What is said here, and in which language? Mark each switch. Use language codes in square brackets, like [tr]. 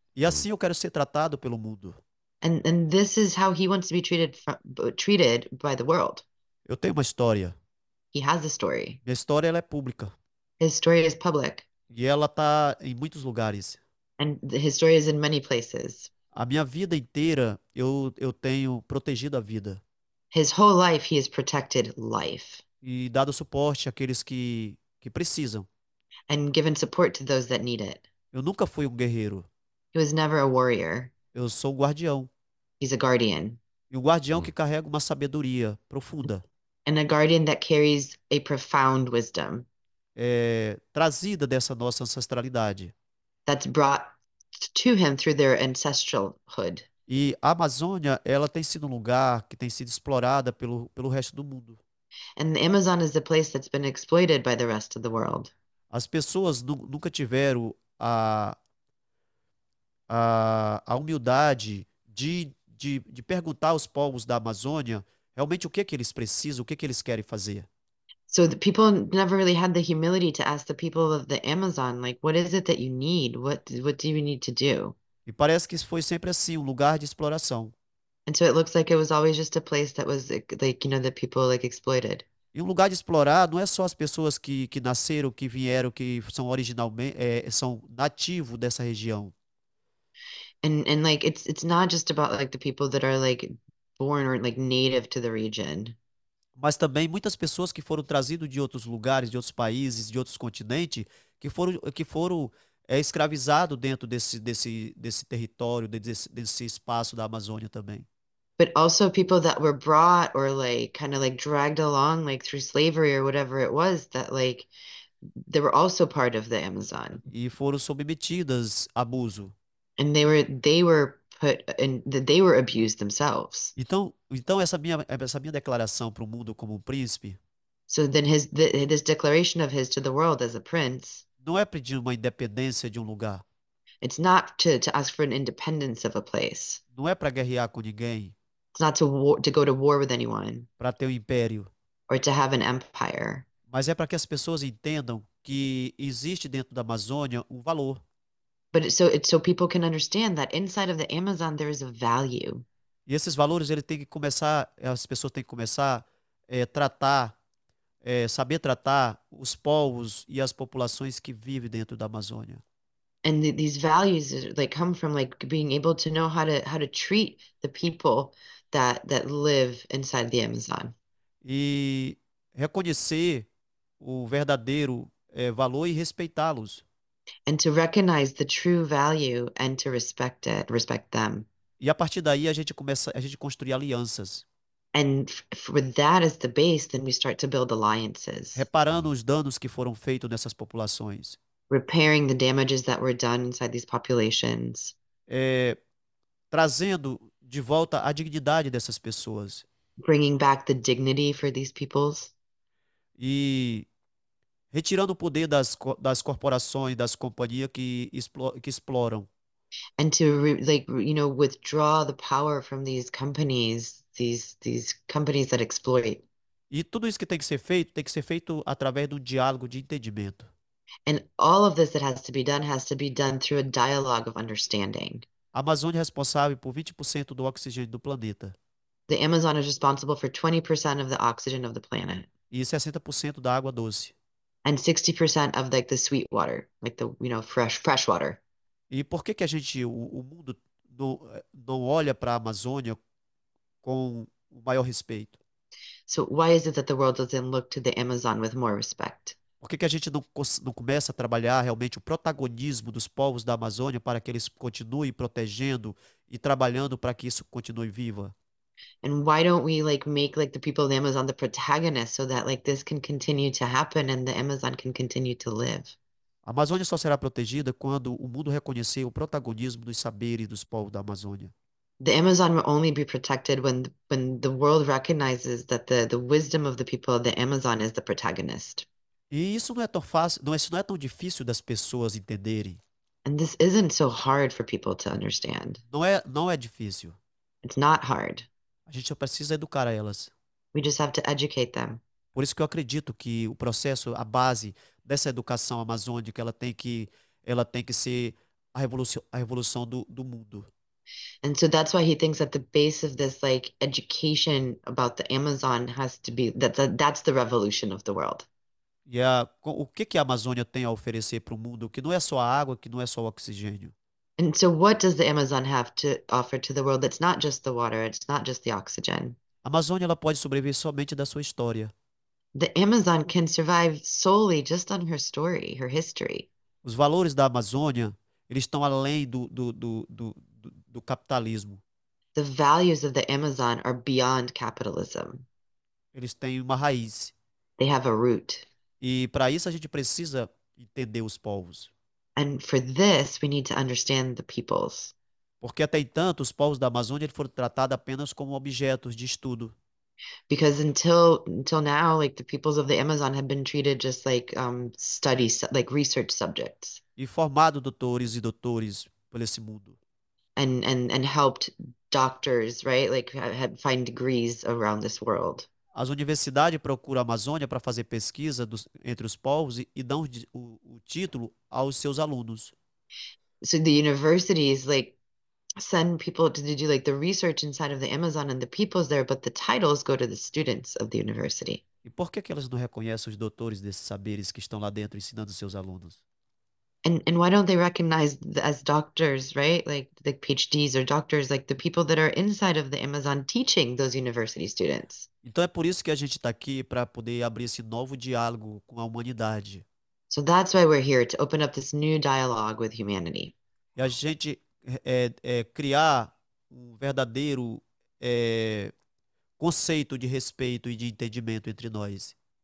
[pt] E assim eu quero ser tratado pelo mundo. [en] And this is how he wants to be treated by the world. [pt] Eu tenho uma história. [en] He has a story. [pt] Minha história, ela é pública. [en] His story is public. [pt] E ela está em muitos lugares. [en] And his story is in many places. [pt] A minha vida inteira, eu tenho protegido a vida. [en] His whole life, he has protected life. [pt] E dado suporte àqueles que precisam. [en] And given support to those that need it. [pt] Eu nunca fui um guerreiro. [en] He was never a warrior. [pt] Eu sou um guardião. [en] He's a guardian. [pt] E um guardião que carrega uma sabedoria profunda. [en] And a guardian that carries a profound wisdom [pt] É, trazida dessa nossa ancestralidade. [en] that's brought to him through their ancestralhood. [pt] E a Amazônia, ela tem sido um lugar que tem sido explorada pelo resto do mundo. [en] And the Amazon is a place that's been exploited by the rest of the world. [pt] As pessoas nu nunca tiveram a humildade de perguntar aos povos da Amazônia realmente o que é que eles precisam, o que é que eles querem fazer. [en] So the people never really had the humility to ask the people of the Amazon, like, what is it that you need? What do you need to do? [pt] E parece que foi sempre assim, um lugar de exploração. [en] And so it looks like it was always just a place that was like the people like exploited. [pt] E um lugar de explorar não é só as pessoas que nasceram, que vieram, que são originalmente, são nativos dessa região. [en] And like it's not just about like the people that are like born or like native to the region. [pt] Mas também muitas pessoas que foram trazidas de outros lugares, de outros países, de outros continentes, que foram escravizado dentro desse território, desse espaço da Amazônia também. [en] But also people that were brought or like kind of like dragged along like through slavery or whatever it was that like they were also part of the Amazon. [pt] E foram submetidas a abuso. [en] And they were put in they were abused themselves. [pt] Então, essa minha declaração para o mundo como um príncipe. [en] So then his the, this declaration of his to the world as a prince. [pt] Não é pedir uma independência de um lugar. [en] It's not to ask for an independence of a place. [pt] Não é para guerrear com ninguém. [en] It's not to go to war with anyone [pt] Para ter um império. [en] or to have an empire. [pt] Mas é para que as pessoas entendam que existe dentro da Amazônia um valor. [en] But so people can understand that inside of the Amazon there is a value. [pt] E esses valores ele tem que começar, as pessoas têm que começar a tratar. É saber tratar os povos e as populações que vivem dentro da Amazônia. [en] And these values like come from like being able to know how to treat the people that live inside the Amazon. [pt] E reconhecer o verdadeiro valor e respeitá-los. [en] And to recognize the true value and to respect them. [pt] E a partir daí a gente construir alianças. [en] And with that as the base, then we start to build alliances. [pt] Reparando os danos que foram feitos nessas populações. [en] Repairing the damages that were done inside these populations. [pt] Trazendo de volta a dignidade dessas pessoas. [en] Bringing back the dignity for these peoples. [pt] E retirando o poder das corporações, das companhias que exploram. [en] And to re like withdraw the power from these companies, these companies that exploit. [pt] E tudo isso que tem que ser feito através do diálogo de entendimento. [en] And all of this that has to be done through a dialogue of understanding. [pt] A Amazônia é responsável por 20% do oxigênio do planeta. [en] The Amazon is responsible for 20% of the oxygen of the planet. [pt] E 60% da água doce. [en] And 60% of like the sweet water, like the fresh water. [pt] E por que que o mundo não olha para a Amazônia com o maior respeito? [en] So why is it that the world doesn't look to the Amazon with more respect? [pt] Por que que a gente não começa a trabalhar realmente o protagonismo dos povos da Amazônia para que eles continuem protegendo e trabalhando para que isso continue viva? [en] And why don't we like make like the people of the Amazon the protagonist so that like this can continue to happen and the Amazon can continue to live? [pt] A Amazônia só será protegida quando o mundo reconhecer o protagonismo dos saberes dos povos da Amazônia. [en] The Amazon will only be protected when the world recognizes that the wisdom of the people of the Amazon is the protagonist. [pt] E isso não é tão fácil, não, isso não é tão difícil das pessoas entenderem. [en] And this isn't so hard for people to understand. [pt] Não é difícil. [en] It's not hard. [pt] A gente só precisa educar elas. [en] We just have to educate them. [pt] Por isso que eu acredito que o processo, a base dessa educação amazônica, ela tem que ser a revolução do mundo. [en] And so that's why he thinks that the base of this like education about the Amazon has to be that's the revolution of the world. [pt] O que que a Amazônia tem a oferecer para o mundo, que não é só a água, que não é só o oxigênio? [en] And so what does the Amazon have to offer to the world that's not just the water, it's not just the oxygen? [pt] A Amazônia, ela pode sobreviver somente da sua história. [en] The Amazon can survive solely just on her story, her history. [pt] Os valores da Amazônia, eles estão além do capitalismo. [en] The values of the Amazon are beyond capitalism. [pt] Eles têm uma raiz. [en] They have a root. [pt] E para isso a gente precisa entender os povos. [en] And for this, we need to understand the peoples. [pt] Porque até então os povos da Amazônia foram tratados apenas como objetos de estudo. [en] Because until now, like the peoples of the Amazon have been treated just like studies, like research subjects. [pt] E formado doutores e doutores por esse mundo. [en] And helped doctors, right? Like have find degrees around this world. [pt] As universidades procuram a Amazônia para fazer pesquisa entre os povos e dão o título aos seus alunos. [en] So the universities like send people to do like the research inside of the Amazon and the peoples there, but the titles go to the students of the university. [pt] E por que que elas não reconhecem os doutores desses saberes que estão lá dentro ensinando os seus alunos? [en] And why don't they recognize as doctors, right? Like the PhDs or doctors, like the people that are inside of the Amazon teaching those university students. [pt] Então é por isso que a gente está aqui para poder abrir esse novo diálogo com a humanidade. [en] So that's why we're here, to open up this new dialogue with humanity. [pt] E a gente criar um verdadeiro conceito de respeito e de entendimento entre nós.